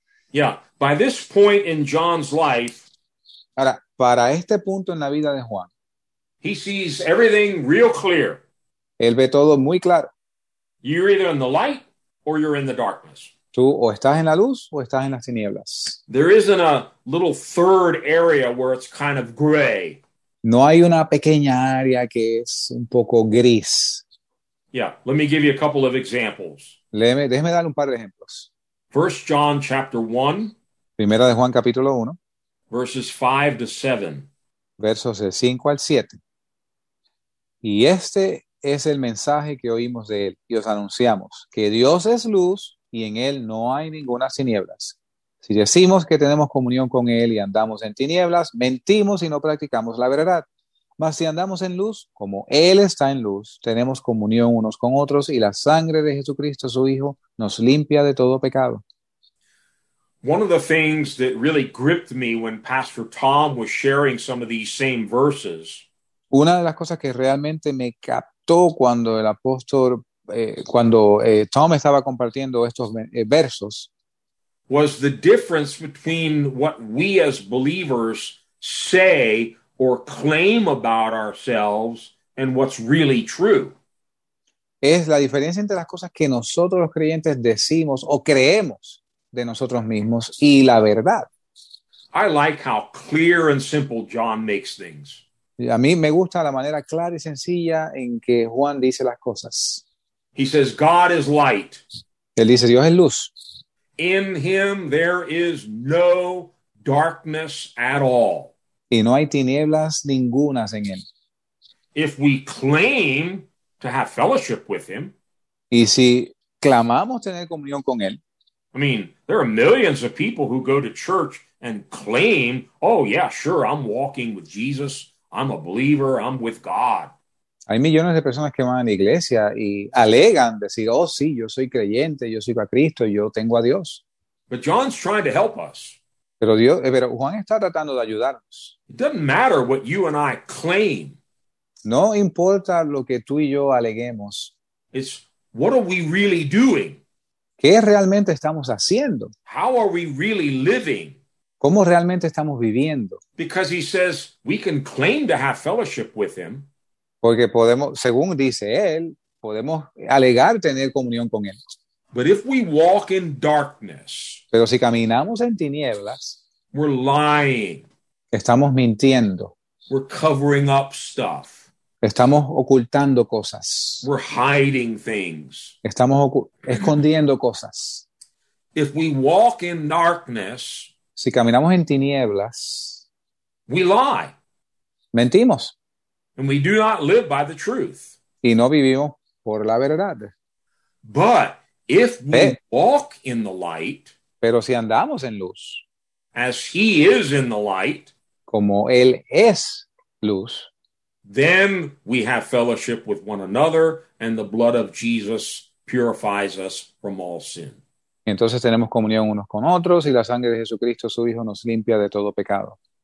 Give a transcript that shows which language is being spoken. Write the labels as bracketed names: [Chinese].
[English] Yeah, by this point in John's life, [Spanish] ahora, para este punto en la vida de Juan, [English] he sees everything real clear. [Spanish] Él ve todo muy claro. [English] You're either in the light or you're in the darkness. [Spanish] Tú o estás en la luz o estás en las tinieblas. [English] There isn't a little third area where it's kind of gray. [Spanish] No hay una pequeña área que es un poco gris. [English] Yeah, let me give you a couple of examples. [Spanish] Déjeme dar un par de ejemplos. [English] 1 John chapter 1. [Spanish] Primera de Juan capítulo 1. [English] Verses 5 to 7. [Spanish] Versos de 5 al 7. Y este es el mensaje que oímos de él y os anunciamos, que Dios es luz y en él no hay ninguna tinieblas. Si decimos que tenemos comunión con él y andamos en tinieblas, mentimos y no practicamos la verdad. Mas si andamos en luz, como él está en luz, tenemos comunión unos con otros y la sangre de Jesucristo, su Hijo, nos limpia de todo pecado. [English] One of the things that really gripped me when Pastor Tom was sharing some of these same verses. [Spanish] Una de las cosas que realmente me captó cuando el apóstol, Tom estaba compartiendo estos versos. [English] Was the difference between what we as believers say or claim about ourselves and what's really true. [Spanish] Es la diferencia entre las cosas que nosotros los creyentes decimos o creemos de nosotros mismos y la verdad. [English] I like how clear and simple John makes things. [Spanish] Y a mí me gusta la manera clara y sencilla en que Juan dice las cosas. [English] He says, God is light. [Spanish] Él dice, Dios es luz. [English] In him there is no darkness at all. [Spanish] Y no hay tinieblas ningunas en él. [English] If we claim to have fellowship with him. [Spanish] Y si clamamos tener comunión con él. [English] I mean, there are millions of people who go to church and claim, oh yeah, sure, I'm walking with Jesus. I'm a believer. I'm with God. [Spanish] Hay millones de personas que van a la iglesia y alegan decir, oh sí, yo soy creyente, yo sigo a Cristo, yo tengo a Dios. [English] But John's trying to help us. [Spanish] Pero Juan está tratando de ayudarnos. [English] It doesn't matter what you and I claim. [Spanish] No importa lo que tú y yo aleguemos. [English] It's what are we really doing? [Spanish] ¿Qué realmente estamos haciendo? [English] How are we really living? [Spanish] ¿Cómo realmente estamos viviendo? [English] Because he says we can claim to have fellowship with him. [Spanish] Porque podemos, según dice él, podemos alegar tener comunión con él. [English] But if we walk in darkness, [Spanish] pero si caminamos en tinieblas, [English] we're lying. [Spanish] Estamos mintiendo. [English] We're covering up stuff. [Spanish] Estamos ocultando cosas. [English] We're hiding things. [Spanish] Estamos escondiendo cosas. [English] If we walk in darkness, [Spanish] si caminamos en tinieblas, [English] we lie. [Spanish] Mentimos. [English] And we do not live by the truth. [Spanish] Y no vivimos por la verdad. [English] But if we walk in the light, [Spanish] pero si andamos en luz, [English] as he is in the light, [Spanish] como él es luz, [English] then we have fellowship with one another, and the blood of Jesus purifies us from all sin. [Spanish] Entonces tenemos comunión unos con otros, y la sangre de Jesucristo, su Hijo, nos limpia de todo pecado.